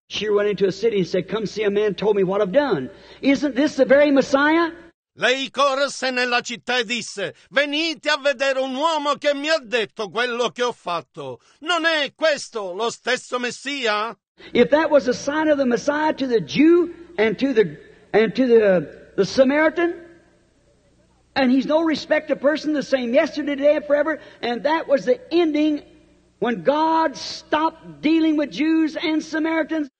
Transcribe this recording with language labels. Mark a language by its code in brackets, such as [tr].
[en] She went into a city and said, come see a man told me what I've done. Isn't this the very Messiah? [it] Lei corse nella città e disse, venite a vedere un uomo che mi ha detto quello che ho fatto. Non è questo lo stesso Messia? [en] If that was a sign of the Messiah to the Jew and to the Samaritan, and he's no respected person, the same yesterday, today, and forever, and that was the ending when God stopped dealing with Jews and Samaritans.